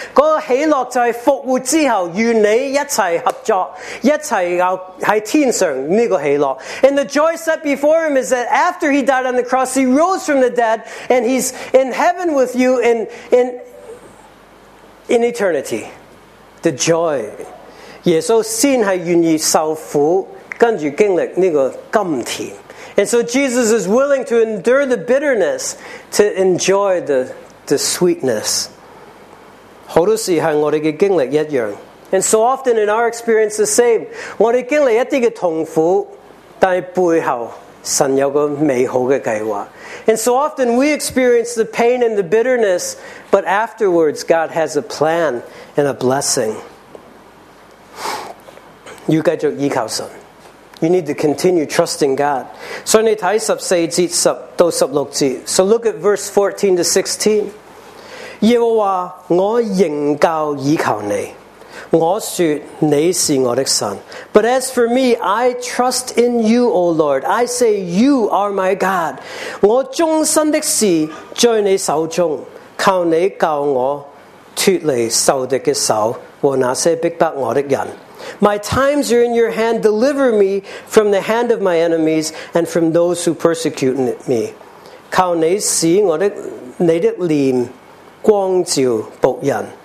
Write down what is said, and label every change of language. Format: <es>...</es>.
<zh>那个喜乐就是复活之后与你一起合作，一起在天上这个喜乐。</zh> <en>And the joy set before him is that after he died on the cross, he rose from the dead, and he's in heaven with you in eternity. The joy.</en> <zh>耶稣先是愿意受苦跟着经历这个甘甜</zh> <en>And so Jesus is willing to endure the bitterness to enjoy the sweetness.</en> <zh>好多时候我们的经历一样</zh> <en>And so often in our experience the same.</en> <zh>我们经历一些痛苦但是背后神有个美好的计划。</zh> <en>And so often we experience the pain and the bitterness, but afterwards God has a plan and a blessing.</en> <zh>要继续依靠神。</zh> <en>You need to continue trusting God. So look at verse 14 to 16.</en> <zh>耶和华，我仍旧倚靠你。我说你是我的神,</zh> <en>but as for me, I trust in you, O Lord. I say you are my God.</en> <zh>我终身的事在你手中，靠你救我脱离仇敌的手和那些逼迫我的人。</zh> <en>My times are in your hand. Deliver me from the hand of my enemies and from those who persecute me.</en> <zh>靠你使我的脸光照仆人。</zh>